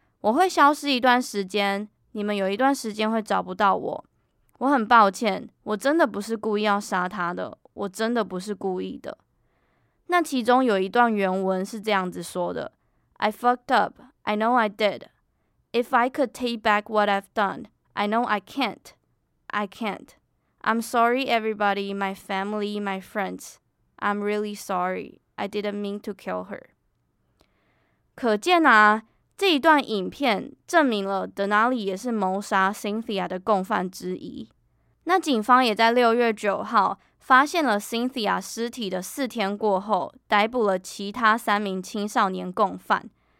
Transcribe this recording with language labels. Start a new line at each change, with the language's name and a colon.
Chinese: 我会消失一段时间，你们有一段时间会找不到我。我很抱歉，我真的不是故意要杀他的，我真的不是故意的。那其中有一段原文是这样子说的，
English: I fucked up, I know I did. If I could take back what I've done, I know I can't. I can't. I'm sorry everybody, my family, my friends. I'm really sorry. I didn't mean to kill her.
Chinese: 可见啊，这一段影片证明了 Denali 也是谋杀 Cynthia 的共犯之一。那警方也在6月9号发现了 Cynthia 尸体的四天过后，逮捕了其他三名青少年共犯。